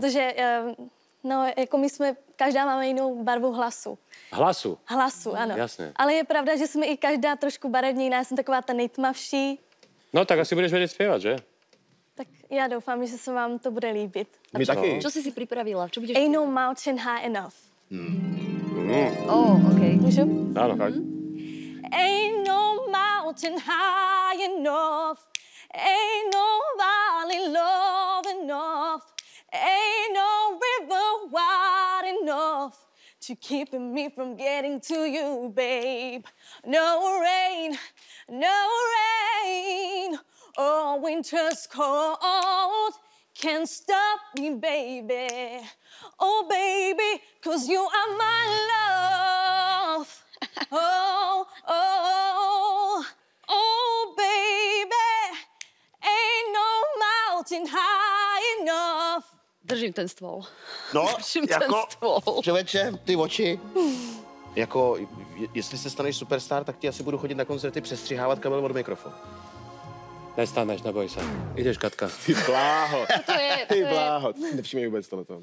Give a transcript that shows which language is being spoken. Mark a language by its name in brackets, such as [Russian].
[Czech] Protože, jako my jsme, každá máme jinou barvu hlasu. Hlasu? Hlasu, ano. Jasně. Ale je pravda, že jsme i každá trošku barevně jiná, já jsem taková ta nejtmavší. No, tak asi budeš vědět zpěvat, že? Tak já doufám, že se vám to bude líbit. My taky. Co jsi si připravila? Co budeš... [English] Ain't no mountain high enough. Okay. [Czech] Můžu? Ano, tak. [English] Ain't no mountain high enough. Ain't no valley low enough. Ain't no river wide enough to keep me from getting to you, babe. No rain, no rain. Oh, winter's cold can't stop me, baby. Oh, baby, 'cause you are my love. Oh, oh, oh, baby, ain't no mountain high enough. [Czech] Držím ten stůl. No, držím jako, člověče, ty oči. Jako, jestli se staneš superstar, tak ti asi budu chodit na koncerty přestřihávat kabel od mikrofonu. Nestaneš, neboj se. Jdeš, Katka. Ty bláho. To je. Ty bláho. Nevšimej vůbec tohle.